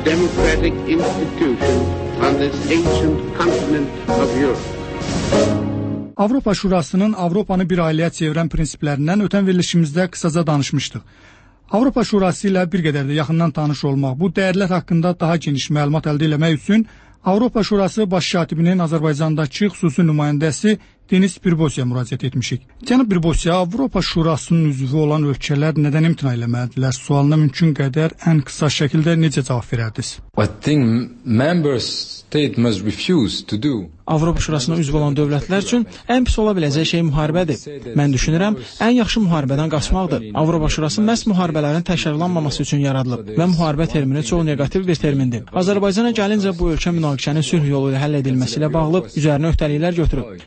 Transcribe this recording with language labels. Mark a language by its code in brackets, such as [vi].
[en] Democratic institution on this ancient continent of Europe. [az] Avropa Şurasının Avropanı bir ailəyə çevirən prinsiplərindən ötən verilişimizdə qısaca danışmışdıq. Avropa Şurası ilə bir qədər də yaxından tanış olmaq, bu dəyərlər haqqında daha geniş məlumat əldə eləmək üçün Avropa Şurası baş katibinin Azərbaycandakı xüsusi nümayəndəsi Denis Birbosiya müraciət etmişik. Cənab Birbosiya, Avropa Şurasının üzvü olan ölkələr nədən imtina eləməlidirlər? Sualına mümkün qədər ən qısa şəkildə necə cavab verərdiniz? [en] I think member state must refuse to do. [az] Avropa Şurasına üzv olan dövlətlər üçün ən pis ola biləcək şey müharibədir. Mən düşünürəm, ən yaxşı müharibədən qaçmaqdır. Avropa Şurası məhz müharibələrin təşkilatlanmaması üçün yaradılıb və müharibə termini çox neqativ bir termindir. Azərbaycana gəlincə bu ölkə münaqişənin sülh yolu ilə həll edilməsi ilə bağlı üzərinə öhdəliklər götürüb.